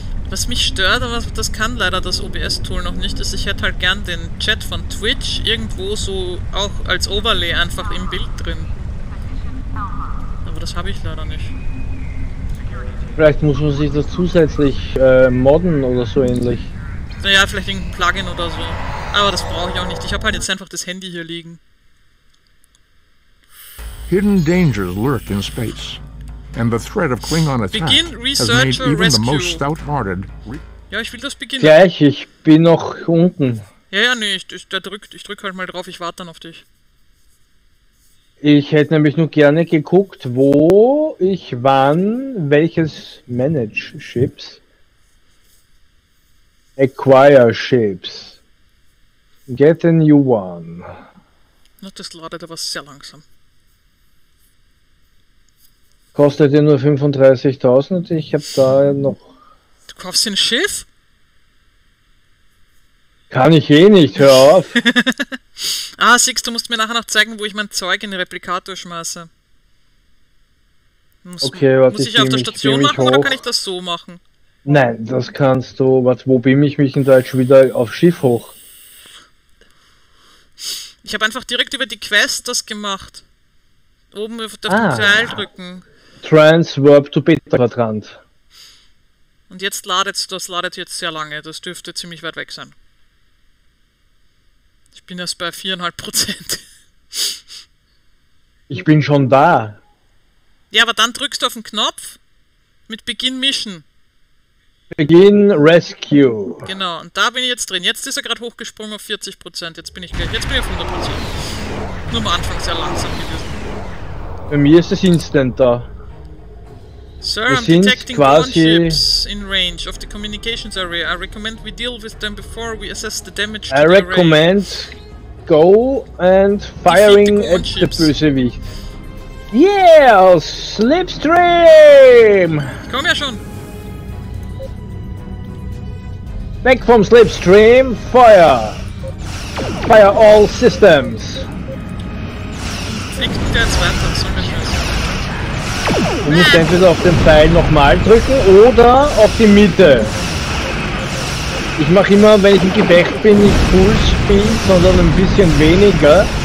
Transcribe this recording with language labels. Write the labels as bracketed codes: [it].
[de] Was mich stört, aber das kann leider das OBS-Tool noch nicht, ist, ich hätte halt gern den Chat von Twitch irgendwo so auch als Overlay einfach im Bild drin. Aber das habe ich leider nicht. Vielleicht muss man sich das zusätzlich modden oder so ähnlich. Naja, vielleicht irgendein Plugin oder so. Aber das brauche ich auch nicht. Ich habe halt jetzt einfach das Handy hier liegen. [en] Hidden dangers lurk in space, and the threat of Klingon attack has made even the most stout-hearted. [de] Ja, ich will das beginnen. Gleich, ich bin noch unten. Ja, ja, nee, ich drück halt mal drauf, ich warte dann auf dich. Ich hätte nämlich nur gerne geguckt, wo ich wann welches Manage Ships. [en] Acquire Ships. Get a new one. [de] Das ladet aber sehr langsam. Kostet dir nur 35.000 und ich hab da noch. Du kaufst ein Schiff? Kann ich eh nicht, hör auf. Ah, Six, du musst mir nachher noch zeigen, wo ich mein Zeug in den Replikator schmeiße. Muss ich auf der Station machen hoch. Oder kann ich das so machen? Nein, das kannst du. Warte, wo beam ich mich denn da jetzt wieder auf Schiff hoch? Ich habe einfach direkt über die Quest das gemacht. Oben auf den Pfeil drücken. [en] Transwarp to Beta Quadrant. [de] Und jetzt ladet jetzt sehr lange. Das dürfte ziemlich weit weg sein. Ich bin erst bei 4,5%. Ich bin schon da. Ja, aber dann drückst du auf den Knopf mit Begin Mission. [en] Begin Rescue. [de] Genau, und da bin ich jetzt drin. Jetzt ist er gerade hochgesprungen auf 40%. Jetzt bin ich auf 100%. Nur am Anfang sehr langsam gewesen. Bei mir ist es instant da. [en] Sir, I'm detecting warships in range of the communications area. I recommend we deal with them before we assess the damage to the array. I recommend go and firing at the [de] Bösewicht. [en] Yeah, slipstream! [de] Komm ja schon! [en] Back from slipstream, fire! Fire all systems! [de] Fliegt der jetzt weiter, so ein bisschen. Du musst entweder auf den Pfeil nochmal drücken oder auf die Mitte. Ich mache immer, wenn ich im Gefecht bin, nicht Full Speed, sondern ein bisschen weniger.